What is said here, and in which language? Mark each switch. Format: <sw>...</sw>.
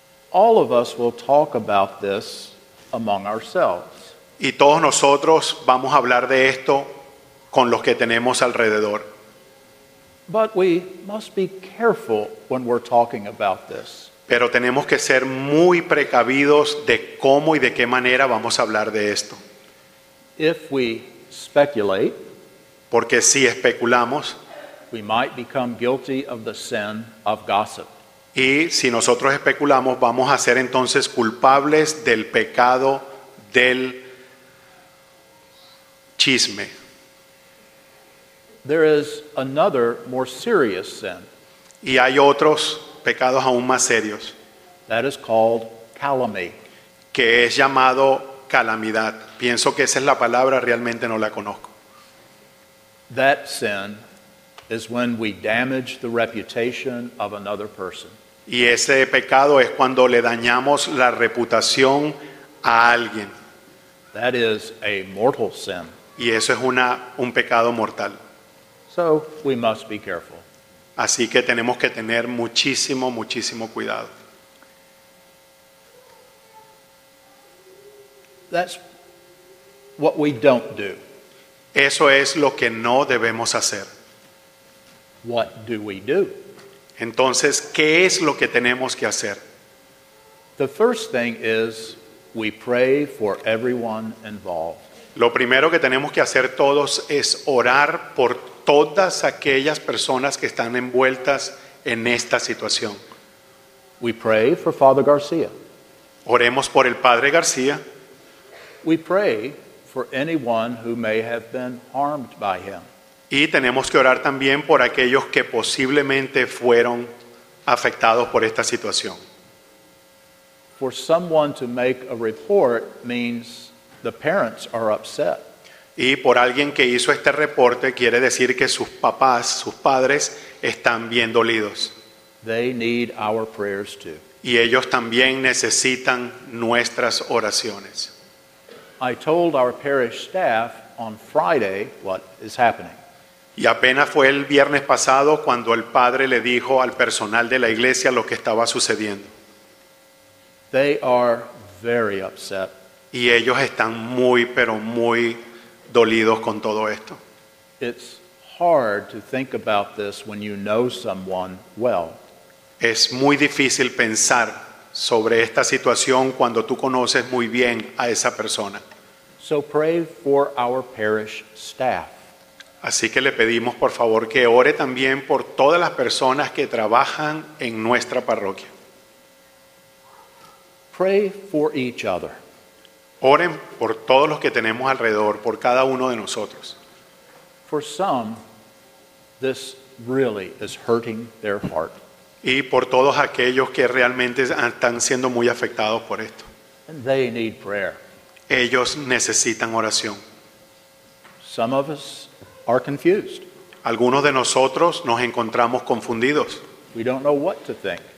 <en>All of us will talk about this among ourselves.</en> <es>Y todos nosotros vamos a hablar de esto con los que tenemos alrededor.</es> <en>But we must be careful when we're talking about this.</en> <es>Pero tenemos que ser muy precavidos de cómo y de qué manera vamos a hablar de esto.</es> <en>If we speculate,</en> <es>porque si especulamos,</es> <en>we might become guilty of the sin of gossip.</en> <es>Y si nosotros especulamos, vamos a ser entonces culpables del pecado del chisme.</es> <en>There is another more serious sin.</en> <es>Y hay otros pecados aún más serios.</es> <en>That is called calumny.</en> <es>Que es llamado calamidad. Pienso que esa es la palabra, realmente no la conozco.</es> <en>That sin is when we damage the reputation of another person.</en> <es>Y ese pecado es cuando le dañamos la reputación a alguien.</es> <en>That is a mortal sin.</en> <es>Y eso es un pecado mortal.</es> <en>So we must be careful.</en> <es>Así que tenemos que tener muchísimo, muchísimo cuidado.</es> <en>That's what we don't do.</en> <es>Eso es lo que no debemos hacer.</es> <en>What do we do?</en> <es>Entonces, ¿qué es lo que tenemos que hacer?</es> <en>The first thing is we pray for everyone involved.</en> <es>Lo primero que tenemos que hacer todos es orar por todas aquellas personas que están envueltas en esta situación.</es> <en>We pray for Father García.</en> <es>Oremos por el Padre García.</es> <en>We pray for anyone who may have been harmed by him.</en> <es>Y tenemos que orar también por aquellos que posiblemente fueron afectados por esta situación.</es> <en>For someone to make a report means the parents are upset.</en> <es>Y por alguien que hizo este reporte quiere decir que sus papás, sus padres, están bien dolidos.</es> <en>They need our prayers too.</en> <es>Y ellos también necesitan nuestras oraciones.</es> <en>I told our parish staff on Friday what is happening.</en> <es>Y apenas fue el viernes pasado cuando el padre le dijo al personal de la iglesia lo que estaba sucediendo.</es> <en>They are very upset.</en> <es>Y ellos están muy, pero muy dolidos con todo esto.</es> <en>It's hard to think about this when you know someone well.</en> <es>Es muy difícil pensar sobre esta situación cuando tú conoces muy bien a esa persona.</es> <en>So pray for our parish staff.</en> <es>Así que le pedimos por favor que ore también por todas las personas que trabajan en nuestra parroquia.</es> <en>Pray for each other.</en> <es>Oren por todos los que tenemos alrededor, por cada uno de nosotros.</es> <en>For some, this really is hurting their heart.</en> <es>Y por todos aquellos que realmente están siendo muy afectados por esto.</es> <en>And they need prayer.</en> <es>Ellos necesitan oración.</es> <en>Some of us are confused.</en> <es>Algunos de nosotros nos encontramos confundidos.</es> <en>We don't know what to think.</en>